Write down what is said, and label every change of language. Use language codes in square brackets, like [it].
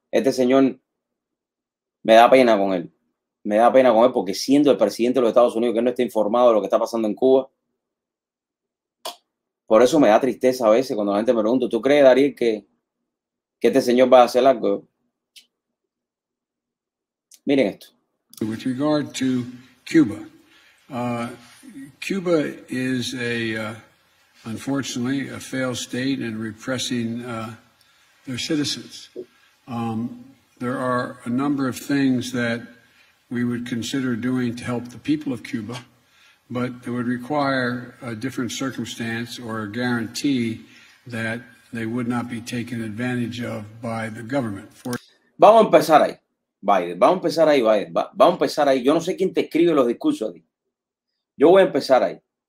[es] Este señor me da pena con él. Me da pena con él porque siendo el presidente de los Estados Unidos que no está informado de lo que está pasando en Cuba. Por eso me da tristeza a veces cuando la gente me pregunta, ¿tú crees, Dariel, que este señor va a hacer algo? Miren esto. [en] With regard to Cuba, Cuba is a unfortunately a failed state in repressing their citizens. There are a number of things that we would consider doing to help the people of Cuba, but it would require a different circumstance or a guarantee that they would not be taken advantage of by the government. [es] Vamos a empezar ahí, Biden. Vamos a empezar ahí, Biden. Vamos a empezar ahí. Yo no sé quién te escribe los discursos a ti. Yo voy a empezar ahí.